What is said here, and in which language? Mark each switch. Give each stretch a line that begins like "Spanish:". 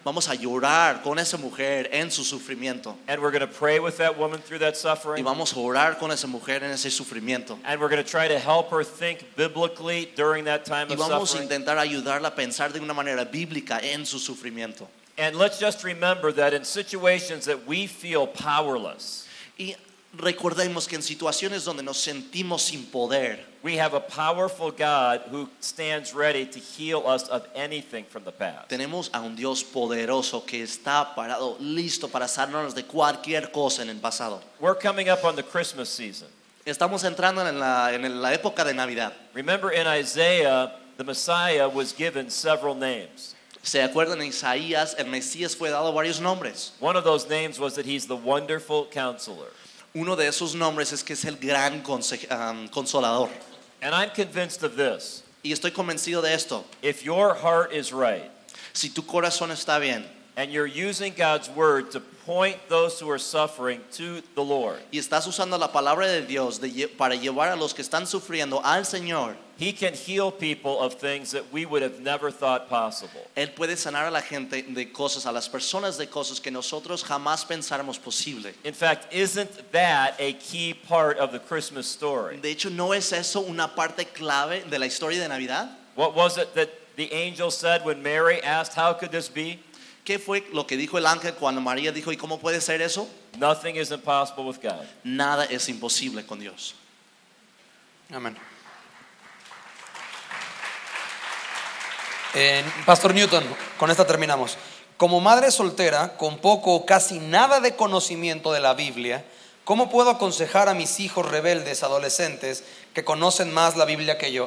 Spanish: Vamos a llorar con esa mujer en su sufrimiento.
English: And we're going to pray with that woman through that suffering.
Spanish: Y vamos a orar con esa mujer en ese sufrimiento.
English: And we're going to try to help her think biblically during that time of suffering.
Spanish: Y vamos a intentar ayudarla a pensar de una manera bíblica en su sufrimiento.
English: And let's just remember that in situations that we feel powerless.
Spanish: Y recordemos que en situaciones donde nos sentimos sin poder,
English: we have a powerful God who stands ready to heal us of anything from the past.
Spanish: Tenemos a un Dios poderoso que está parado listo para sanarnos de cualquier cosa en el pasado.
English: We're coming up on the Christmas season.
Spanish: Estamos entrando en la época de Navidad.
English: Remember in Isaiah, the Messiah was given several names.
Spanish: ¿Se acuerdan en Isaías, el Mesías fue dado varios nombres?
English: One of those names was that he's the wonderful counselor.
Spanish: Uno de esos nombres es que es el gran consolador.
English: And I'm convinced of this.
Spanish: Y estoy convencido de esto.
English: If your heart is right,
Spanish: si tu corazón está bien,
English: and you're using God's word to point those who are suffering to the Lord.
Spanish: Y estás usando la palabra de Dios para llevar a los que están sufriendo al Señor.
English: He can heal people of things that we would have never thought possible.
Spanish: Él puede sanar a la gente de cosas, a las personas de cosas que nosotros jamás pensáramos posible.
English: In fact, isn't that a key part of the Christmas story?
Spanish: De hecho, ¿no es eso una parte clave de la historia de Navidad?
English: What was it that the angel said when Mary asked, "How could this be?"
Spanish: ¿Qué fue lo que dijo el ángel cuando María dijo, ¿y cómo puede ser eso?
English: Nothing is impossible with God.
Spanish: Nada es imposible con Dios. Amén. Pastor Newton, con esta terminamos. Como madre soltera, con poco o casi nada de conocimiento de la Biblia, ¿cómo puedo aconsejar a mis hijos rebeldes, adolescentes, que conocen más la Biblia que yo?